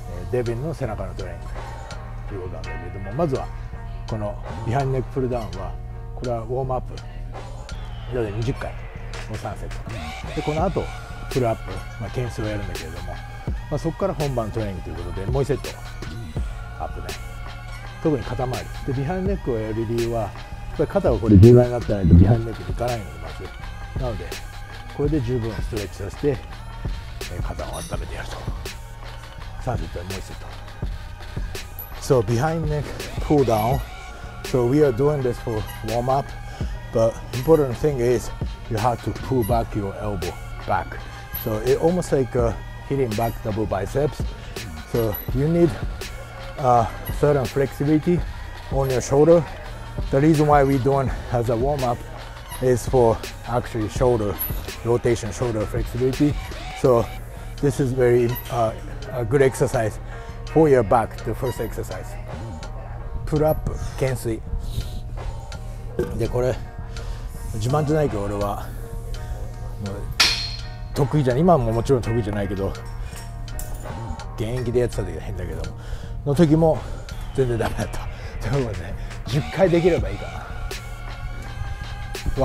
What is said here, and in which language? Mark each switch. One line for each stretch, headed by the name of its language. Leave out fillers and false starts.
Japanese: デビンの背中のトレーニングということなんだけども、まずはこのビハインドネックプルダウンは、これはウォームアップ、で20回の3セット、でこのあとプルアップ、まあ、懸垂をやるんだけれども、まあ、そこから本番トレーニングということで、もう1セットアップね、特に肩周りで。ビハインドネックをやる理由は、やっぱり肩がこれ重要になってないとビハインドネックにいかないので、まずなのでこれで十分ストレッチさせて、肩を温めてやると。さあ、実はもう1セット、
English: So behind neck pull down, So we are doing this for warm up, but important thing is you have to pull back your elbow back, So it almost like hitting back double biceps, So you need a certain flexibility on your shoulder. The reason why we're doing as a warm up is for actually shoulderRotation, shoulder flexibility. So this is very a good exercise for your back, the first exercise. Pull up, 懸垂。
Japanese: で、これ自慢じゃないけど、俺はもう得意じゃない、今ももちろん得意じゃないけど、現役でやってた時は変だけど、の時も全然ダメだった。ということで、10回できればいいかな。